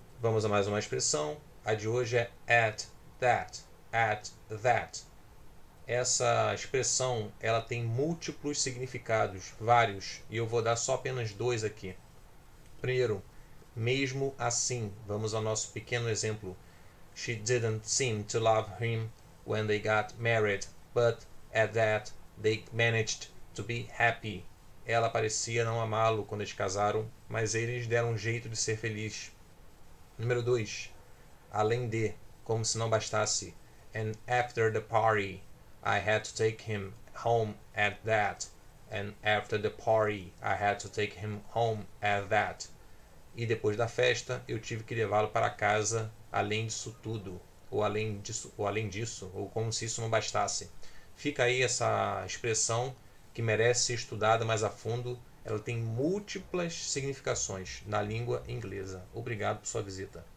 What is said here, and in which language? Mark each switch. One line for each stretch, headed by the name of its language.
Portuguese: Vamos a mais uma expressão. A de hoje é at that. At that. Essa expressão, ela tem múltiplos significados, vários, e eu vou dar só apenas dois aqui. Primeiro, mesmo assim, vamos ao nosso pequeno exemplo.
English: She didn't seem to love him when they got married, but at that they managed to be happy.
Portuguese: Ela parecia não amá-lo quando eles casaram, mas eles deram um jeito de ser feliz. Número 2. Além de, como se não bastasse.
English: And after the party, I had to take him home at that. And after the party, I had to take him home at that.
Portuguese: E depois da festa, eu tive que levá-lo para casa, além disso tudo. Ou além disso, ou como se isso não bastasse. Fica aí essa expressão que merece ser estudada mais a fundo. Ela tem múltiplas significações na língua inglesa. Obrigado por sua visita.